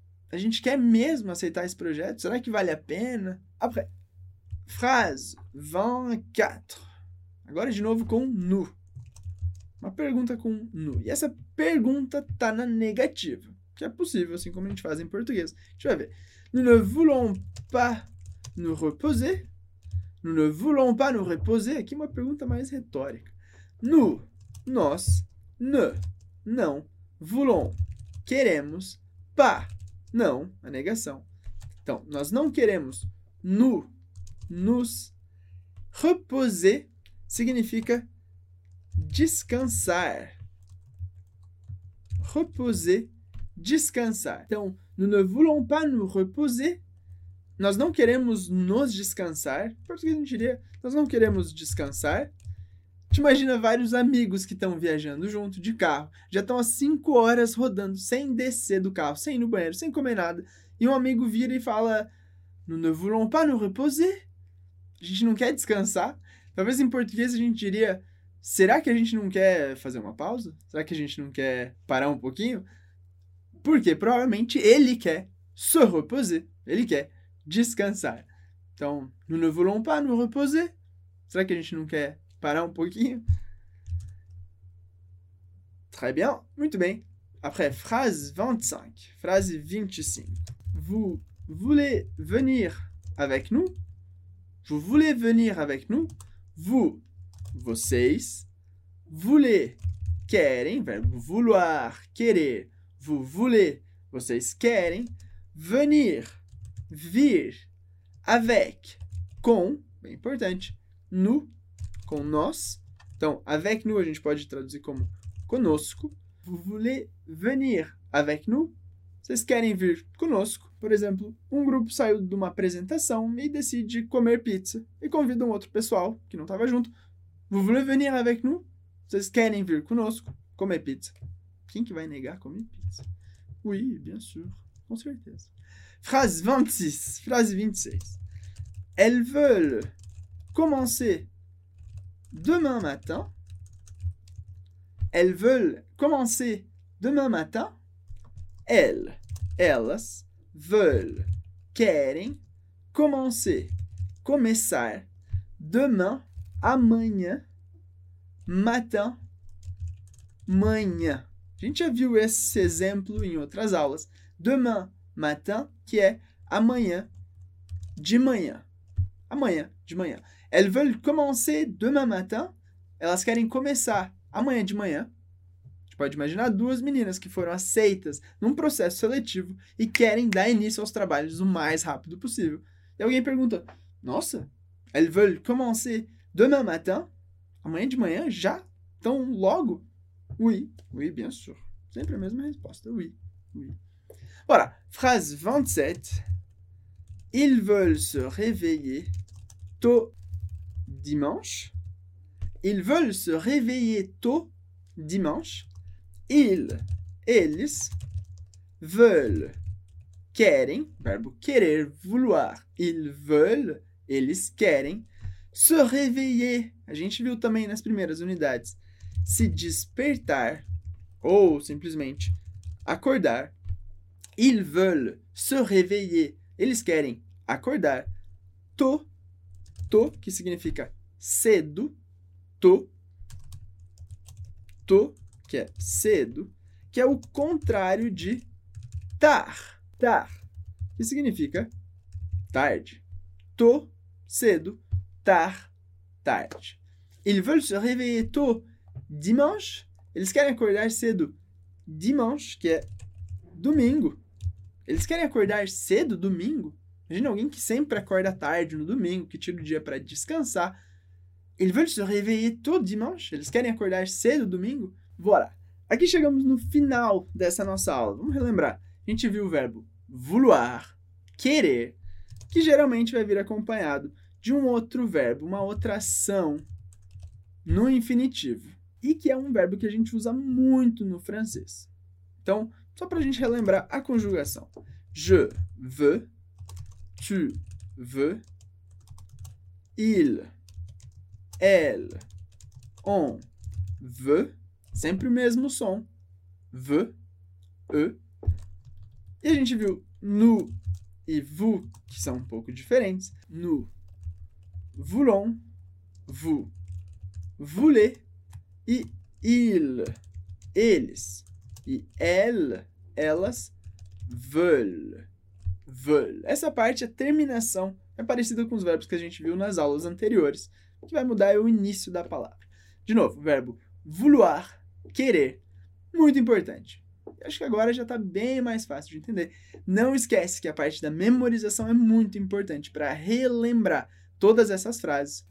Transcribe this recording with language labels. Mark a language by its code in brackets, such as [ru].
[pt] A gente quer mesmo aceitar esse projeto? Será que vale a pena? [fr] Après. Phrase 24. [pt] Agora de novo com nous. Uma pergunta com nous. E essa pergunta tá na negativa. Que é possível, assim como a gente faz em português. Deixa eu ver. [fr] Nous ne voulons pas nous reposer. Nous ne voulons pas nous reposer. [pt] Aqui uma pergunta mais retórica. Nous, nós, ne, não, voulons, queremos, pas. Não, a negação. Então, nós não queremos [fr] nous reposer [pt] significa descansar. Reposer, descansar. [fr] Então, nous ne voulons pas nous reposer. [pt] Nós não queremos nos descansar. Em português, a gente diria: nós não queremos descansar. Te imagina vários amigos que estão viajando junto de carro, já estão há 5 horas rodando, sem descer do carro, sem ir no banheiro, sem comer nada, e um amigo vira e fala: [fr] Nous ne voulons pas nous reposer. [pt] A gente não quer descansar. Talvez em português a gente diria: Será que a gente não quer fazer uma pausa? Será que a gente não quer parar um pouquinho? Porque provavelmente ele quer [fr] se reposer, [pt] ele quer descansar. [fr] Então, Nous ne voulons pas nous reposer. [pt] Será que a gente não quer parar um pouquinho? [fr] Très bien. [pt] Muito bem. [fr] Après, phrase 25. [pt] Frase 25. [fr] Vous voulez venir avec nous? Vous voulez venir avec nous? [pt] Vous, vocês, voulez, querem, verbo vouloir, querer. Vous voulez, vocês querem, venir, vir, avec, com, bem importante, nous, com nós. Então, avec nous a gente pode traduzir como conosco. [fr] Vous voulez venir avec nous? [pt] Vocês querem vir conosco? Por exemplo, um grupo saiu de uma apresentação e decide comer pizza e convida um outro pessoal que não estava junto. [fr] Vous voulez venir avec nous? [pt] Vocês querem vir conosco comer pizza? Quem que vai negar comer pizza? [fr] Oui, bien sûr, [pt] com certeza. [fr] Phrase 26. [pt] Frase 26. [fr] Elles veulent commencer demain matin. Elles veulent commencer demain matin. [pt] Elles, elas, veulent, querem, commencer, começar, demain, amanhã, matin, manhã. A gente já viu esse exemplo em outras aulas. Demain, matin, que é amanhã, de manhã. Amanhã, de manhã. [fr] Elles veulent commencer demain matin. [pt] Elas querem começar amanhã de manhã. A gente pode imaginar duas meninas que foram aceitas num processo seletivo e querem dar início aos trabalhos o mais rápido possível. E alguém pergunta: Nossa, [fr] elles veulent commencer demain matin? [pt] Amanhã de manhã? Já? Tão logo? [fr] Oui, bien sûr. [pt] Sempre a mesma resposta: Oui. [fr] Voilà, phrase 27. Ils veulent se réveiller tôt dimanche. Ils veulent se réveiller tôt dimanche. [pt] Ils veulent, querem, verbe querer, vouloir. Ils veulent, ils querem, se réveiller. A gente viu também nas primeiras unidades. Se despertar ou simplesmente acordar. [fr] Ils veulent se réveiller. [pt] Eles querem acordar. Tôt, que significa cedo. Tôt, que é cedo. Que é o contrário de tard. Tard, que significa tarde. Tôt, cedo. Tard, tarde. [fr] Ils veulent se réveiller tôt dimanche. [pt] Eles querem acordar cedo dimanche, que é domingo. Eles querem acordar cedo domingo? Imagina alguém que sempre acorda tarde no domingo, que tira o dia para descansar. [fr] Ils veulent se réveiller tôt dimanche? [pt] Eles querem acordar cedo domingo? Voilà. Aqui chegamos no final dessa nossa aula. Vamos relembrar. A gente viu o verbo vouloir, querer, que geralmente vai vir acompanhado de um outro verbo, uma outra ação no infinitivo. E que é um verbo que a gente usa muito no francês. Então, só para a gente relembrar a conjugação. [fr] Je veux, tu veux, ils, elles, on veut. [pt] Sempre o mesmo som. Veux, eux. E a gente viu nous e vous, que são um pouco diferentes. [fr] Nous voulons, vous voulez e ils, eles. [pt] E elas veulent. Essa parte, a terminação, é parecida com os verbos que a gente viu nas aulas anteriores, que vai mudar o início da palavra. De novo, verbo vouloir, querer, muito importante. Eu acho que agora já está bem mais fácil de entender. Não esquece que a parte da memorização é muito importante para relembrar todas essas frases.